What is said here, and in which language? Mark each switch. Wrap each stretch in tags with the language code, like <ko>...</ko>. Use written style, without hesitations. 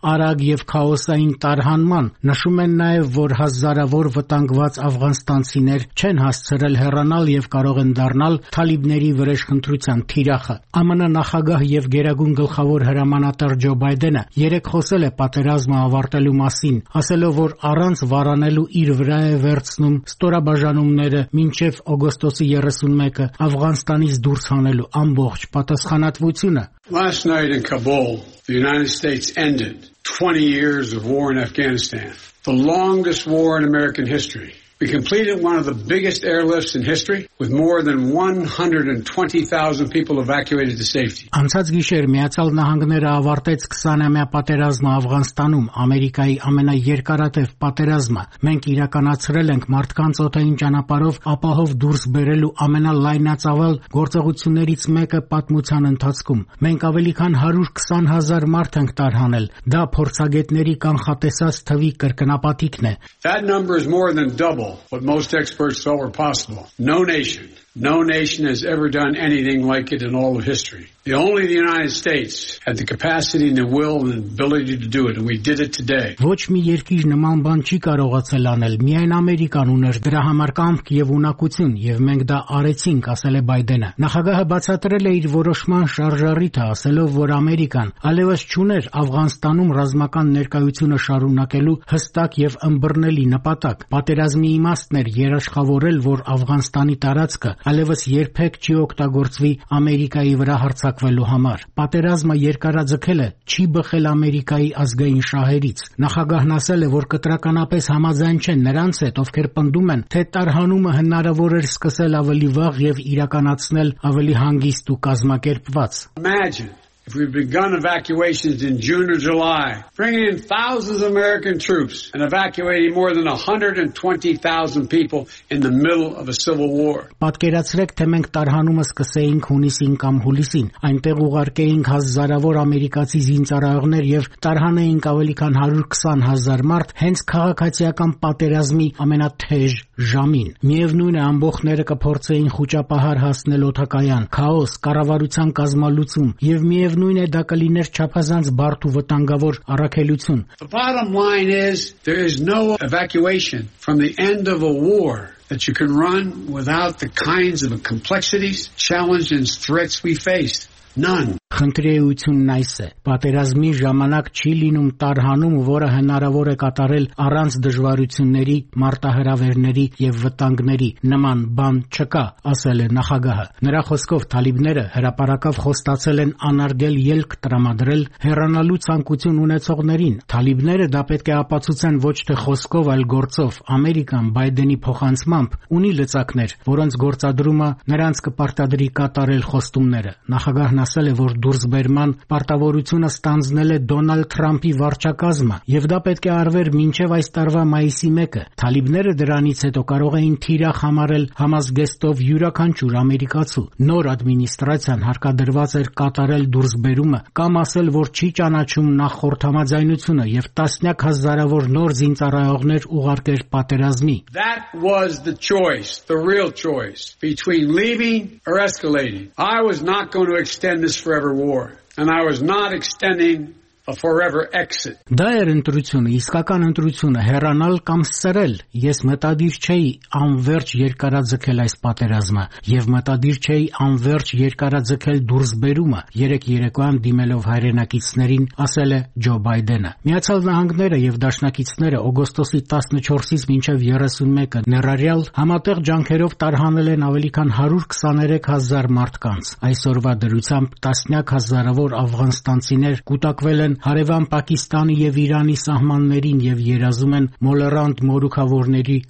<hy>արագ եւ քաոսային տարհանման։ Նշում են նաեւ, որ հազարավոր վտանգված աֆղանստանցիներ չեն հասցրել հեռ և կարող են դառնալ Թալիբների վրեժխնդրության թիրախը։ ԱՄՆ նախագահ և Գերագույն գլխավոր հրամանատար Ջո Բայդենը երեկ խոսել է պատերազմը ավարտելու մասին, ասելով, որ առանց վարանելու իր վրա է վերցնում ստորաբաժանումները մինչև օգոստոսի 31-ը Աֆղանստանից դուրս հանելու ամբողջ պատասխանատվությունը։</hy> <en>Last night in Kabul, the United States ended 20 years of war in Afghanistan, the longest war in American history. We completed one of the biggest airlifts in history with more than 120,000 people evacuated to safety.</en> <hy>Անցած գիշեր Միացյալ Նահանգները ավարտեց 20-ամյա պատերազմը Աֆղանստանում, Ամերիկայի ամենաերկարատև պատերազմը։ Մենք իրականացրել ենք մարդկանց օտային ճանապարհով ապահով դուրս բերելու ամենալայնածավալ գործողություններից մեկը պատմության ընթացքում։ Մենք ավելի քան 120,000 մարդ ենք տարհանել։ Դա փորձագետների կանխատեսած թվի կրկնապատիկն է։</hy> <en>That number is more than double what most experts thought were possible. No nation has ever done anything like it in all of history. Only the United States had the capacity and the will and the ability to do it, and we did it today.</en> <hy>Ոչ մի երկիր նման բան չի կարողացել անել, միայն Ամերիկան ուներ դրա համար կամք եւ ունակություն, եւ մենք դա արեցինք, ասել է Բայդենը։ Նախագահը բացատրել է իր որոշման շարժառիթը, ասելով, որ Ամերիկան ալևս չուներ Աֆղանստանում ռազմական ներկայությունը շարունակելու հստակ եւ ըմբռնելի նպատակ։ Պատերազմի իմաստն էր երաշխավորել, որ Աֆղանստանի տարածքը ալևս երբեք չի օգտագործվի Ամերիկայի վրա հարձակվելու համար։ Պատերազմը երկարաձգել է, չի բխել Ամերիկայի ազգային շահերից։ Նախագահն ասել է, որ կտրականապես համաձայն չեն նրանց հետ, ովքեր պնդում են, թե տարհանումը հնարավոր էր սկսել ավելի վաղ եւ իրականացնել ավելի հանգիստ ու կազմակերպված։</hy> <en>If we've begun evacuations in June or July, bringing in thousands of American troops and evacuating more than 120,000 people in the middle of a civil war.</en> <hy>Պատկերացրեք, թե մենք տարհանումը սկսեինք հունիսին կամ հուլիսին, այնտեղ ուղարկեինք հազարավոր ամերիկացի զինծառայողներ եւ տարհանեինք ավելի քան 120,000 մարդ հենց քաղաքացիական պատերազմի ամենաթեժ ժամին։ Միևնույնն է, ամբողջները կփորձեին խոճապահար հասնել օթակայան, քաոս, կառավարության կազմալուծում եւ միևնույն է, դա կլիներ չափազանց բարդ ու վտանգավոր առաքելություն.</hy> <en>The bottom line is there is no evacuation from the end of a war that you can run without the kinds of complexities, challenges and threats we face. None.</en> <hy>Խնդրեույթունն այս է. Պատերազմի ժամանակ չի լինում տարհանում, որը հնարավոր է կատարել առանց դժվարությունների, մարտահրավերների եւ վտանգների, նման բան չկա, ասել է նախագահը։ Նրա խոսքով Թալիբները հրապարակավ խոստացել են անարգել ելք տրամադրել հեռանալու ցանկություն ունեցողներին։ Թալիբները դա պետք է ապացուցեն ոչ թե խոսքով, այլ գործով։ Ամերիկան Բայդենի փոխանցմամբ ունի լծակներ, որոնց գործադրումը նրանց կպարտադրի կատարել խոստումները։ Նախագահը հնասել է, որ դուրս բերման պարտավորությունը ստանձնել է Դոնալդ Թրամփի վարչակազմը, եւ դա պետք է արվեր մինչեւ այս տարվա մայիսի 1-ը։ Թալիբները դրանից հետո կարող էին թիրախ համարել համազգեստով յուրաքանչյուր ամերիկացու։ Նոր ադմինիստրացիան հարկադրված էր կատարել դուրս բերումը կամ ասել, որ չի ճանաչում նախ խորհրդամաձայնությունը եւ տասնյակ հազարավոր նոր զինծառայողներ ուղարկել պատերազմի։</hy> <en>That was the choice, the real choice between leaving or escalating. I was not going to extend this forever war, and I was not extending a forever exit.</en> <hy>Դա էր ընտրությունը, իսկական ընտրությունը, հեռանալ կամ սրել։ Ես մտադիր չէի անվերջ երկարաձգել այս պատերազմը, եւ մտադիր չէի անվերջ երկարաձգել դուրս բերումը, 3-3-ան դիմելով հայրենակիցներին, ասել է Ջո Բայդենը։ Միացյալ Նահանգները եւ դաշնակիցները օգոստոսի 14-ից մինչեւ 31-ը ներառյալ համատեղ ջանքերով տարհանել են ավելի քան 123,000 մարդկանց։ Այսօրվա դրությամբ տասնյակ հազարավոր աֆղանստանցիներ կուտակվել են հարևան Պակիստանի եւ Իրանի սահմաններին եւ երազում են մոլերանտ մորուքավորների</hy>